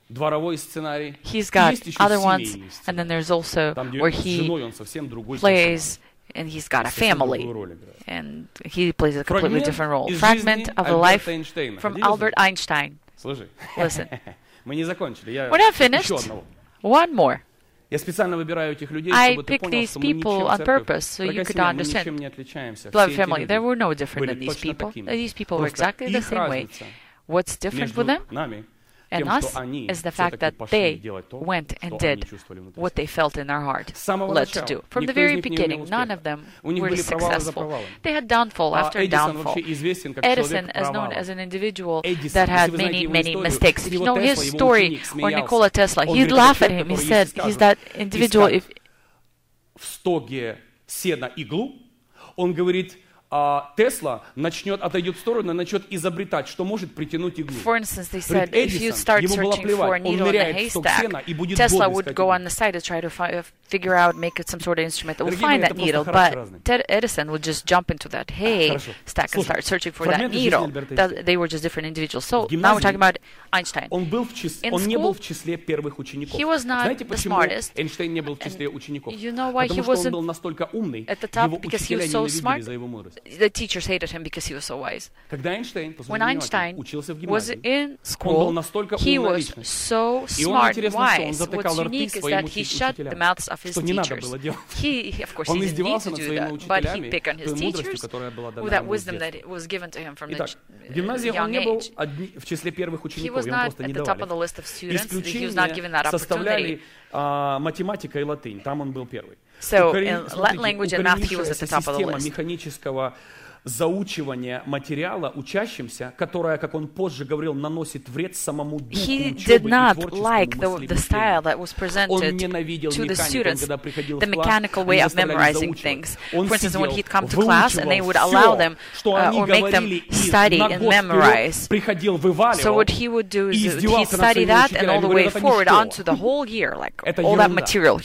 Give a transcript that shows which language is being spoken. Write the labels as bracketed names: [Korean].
[English] He's got other ones, and then there's also where he plays, and he's got a family, and he plays a completely different role. Fragment of a life from Albert Einstein. Listen, we're not finished. One more. [Russian] Я специально выбираю этих людей, чтобы ты понял, что мы ничем от церкви. [English] Purpose, so you could understand. [Russian] Мы ничем не отличаемся. [English] Blood family, they were no different than these people. These people were exactly the same way. What's different with them? And us is the fact that they went and did what they felt in their heart led to do. From the very beginning, none of them were successful. They had downfall after downfall. Edison is known as an individual that had many, many mistakes. If you know his story, or Nikola Tesla, he'd laugh at him. He said he's that individual. If [Russian] в стоге сена иглу, он говорит. А Тесла начнет отойдет в сторону, начнет изобретать, что может притянуть иглу. [English] For instance, they said if you start searching for a needle in a haystack, Tesla would go on the side to try to figure out, make it some sort of instrument that would find that needle. But Edison would just jump into that haystack and start searching for that needle. They were just different individuals. So now we're talking about Einstein. [Russian] Он был в числе, он не был в числе первых учеников. [English] He was not the smartest. [Russian] Эйнштейн не был в числе учеников. [English] You know why he wasn't? [Russian] Потому что он был настолько умный, его учителя ненавидели за его мудрость. [English] The teachers hated him because he was so wise. When Einstein was in school, he was so smart, wise. What's unique is that he shut the mouths of his teachers. Of course, he didn't need to do that, but he picked on his teachers with that wisdom that was given to him from the young age. He was not at the top of the list of students. He was not given that opportunity. [Russian] Математика и латынь, там он был первый. [English] So, in language and math, he was at the top of the list. [Russian] Механического заучивания материала учащимся, которая, как он позже говорил, наносит вред самому духу учебы и творческому [English] мыслению. He did not like the style that was presented to the students, the mechanical way of memorizing things. For instance, when he'd come to class, and they would allow them or make them study and memorize. So what he would do is he'd study that and all the way forward onto the whole year, like all that material.